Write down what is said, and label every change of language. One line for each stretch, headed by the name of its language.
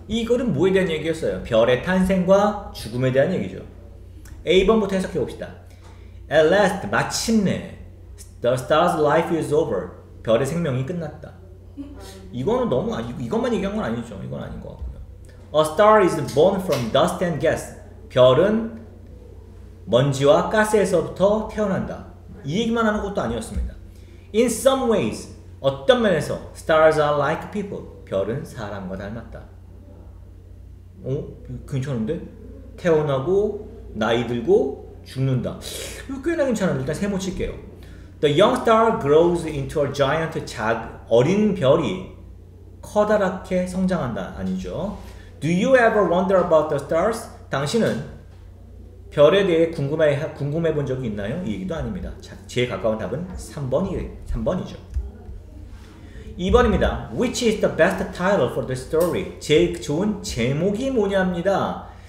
Korean: 이거는 뭐에 대한 얘기였어요? 별의 탄생과 죽음에 대한 얘기죠. A번부터 해석해 봅시다.
English: At last,
Korean: 마침내,
English: the star's life is over.
Korean: 별의 생명이 끝났다. 이거는 너무, 이것만 얘기한 건 아니죠. 이건 아닌 것 같고요.
English: A star is born from dust and gas.
Korean: 별은 먼지와 가스에서부터 태어난다. 이 얘기만 하는 것도 아니었습니다.
English: In some ways,
Korean: 어떤 면에서
English: stars are like people.
Korean: 별은 사람과 닮았다. 어? 괜찮은데? 태어나고 나이 들고 죽는다. 이거 꽤나 괜찮은데 일단 세모 칠게요.
English: The young star grows into a giant
Korean: 어린 별이 커다랗게 성장한다. 아니죠.
English: Do you ever wonder about the stars?
Korean: 당신은 별에 대해 궁금해 본 적이 있나요? 이 얘기도 아닙니다. 자, 제일 가까운 답은 3번이죠. 2번입니다.
English: Which is the best title for the story?
Korean: 제일 좋은 제목이 뭐냐입니다.